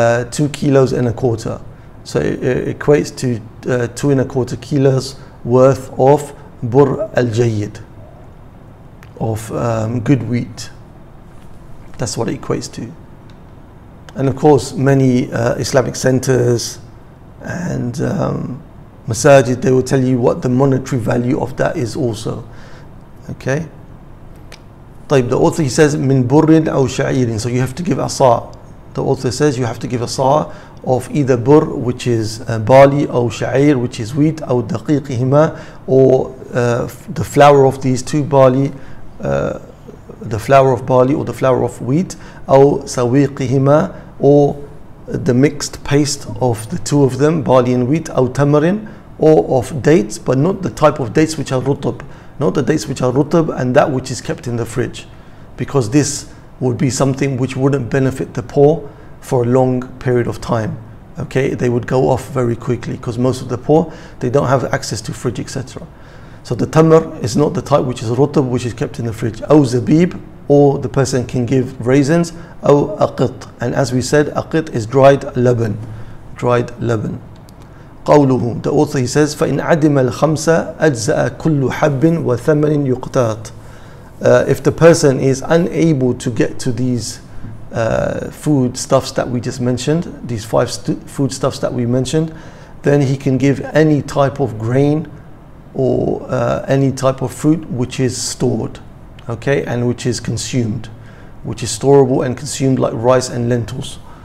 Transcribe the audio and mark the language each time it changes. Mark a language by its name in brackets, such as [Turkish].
[English] 2 kilos and a quarter. So it equates to 2.25 kilos worth of bur al-jayyid, of good wheat. That's what it equates to. And of course, many Islamic centers and masajid, they will tell you what the monetary value of that is also, okay? [Arabic] طيب, [English] the author, he says, [Arabic] من بر أو شعير. [English] So you have to give a صاع. The author says you have to give a صاع of either بر, which is barley, [Arabic] أو شعير, [English] which is wheat, [Arabic] أو دقيقهما, [English] or the flour of these two, barley, the flour of barley or the flour of wheat, [Arabic] أو سويقهما, [English] or the mixed paste of the two of them, barley and wheat, [Arabic] أو تمرين, [English] or of dates, but not the type of dates which are rutub. Not the dates which are rutab and that which is kept in the fridge, because this would be something which wouldn't benefit the poor for a long period of time. Okay, they would go off very quickly because most of the poor, they don't have access to fridge, etc. So the tamar is not the type which is rutab, which is kept in the fridge. Aw zabib, or the person can give raisins. [Arabic] أو أقط. [English] And as we said, أقط is dried leaven. Dried leaven. [Arabic] قوله, [English] the author, he says, [Arabic] فإن عدم الخمسة أجزأ كل حب وثمن يقتات. [English] If the person is unable to get to these foodstuffs that we just mentioned, these five foodstuffs that we mentioned, then he can give any type of grain or any type of fruit which is stored, okay, and which is consumed, which is storable and consumed, like rice and lentils.